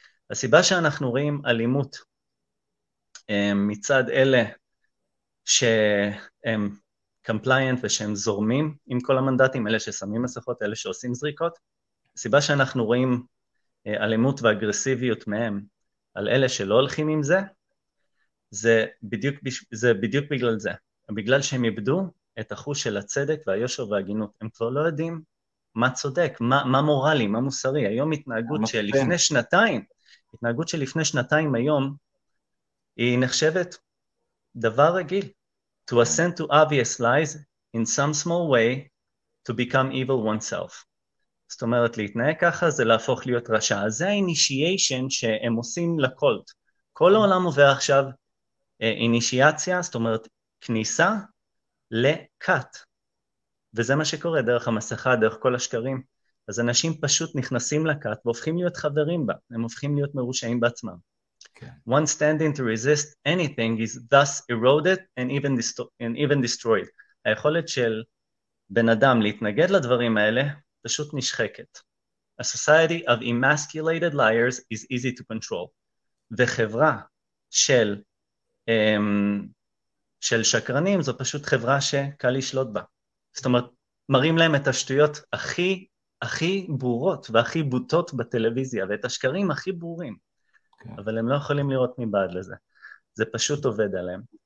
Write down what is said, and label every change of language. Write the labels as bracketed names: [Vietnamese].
[Hebrew] הסיבה שאנחנו רואים אלימות מצד אלה שהם compliant ושהם זורמים עם כל המנדטים, אלה ששמים מסכות, אלה שעושים זריקות, הסיבה שאנחנו רואים אלימות ואגרסיביות מהם על אלה שלא הולכים עם זה, זה בדיוק בגלל זה. בגלל שהם איבדו את החוש של הצדק והיושר והגינות. הם כבר לא יודעים מה צודק, מה מורלי, מה מוסרי. היום התנהגות של לפני שנתיים, התנהגות של לפני שנתיים היום, היא נחשבת דבר רגיל. [English] To ascend to obvious lies in some small way to become evil oneself. [Hebrew] זאת אומרת, להתנהג ככה זה להפוך להיות רשע. אז זה האינישיישן שהם עושים לקולט. כל העולם עובר עכשיו אינישיאציה, זאת אומרת, כניסה לקאט. וזה מה שקורה דרך המסכה, דרך כל השקרים. אז אנשים פשוט נכנסים לקאט והופכים להיות חברים בה. הם הופכים להיות מרושעים בעצמם. [English] Okay. One standing to resist anything is thus eroded and even, destroyed. [Hebrew] היכולת של בן אדם להתנגד לדברים האלה פשוט נשחקת. [English] A society of emasculated liars is easy to control. [Hebrew] וחברה של, של שקרנים זו פשוט חברה שקל לשלוט בה. זאת אומרת, מראים להם את השטויות הכי, הכי ברורות והכי בוטות בטלוויזיה, ואת השקרים הכי ברורים. Okay. אבל הם לא יכולים לראות מבעד לזה. זה פשוט עובד עליהם.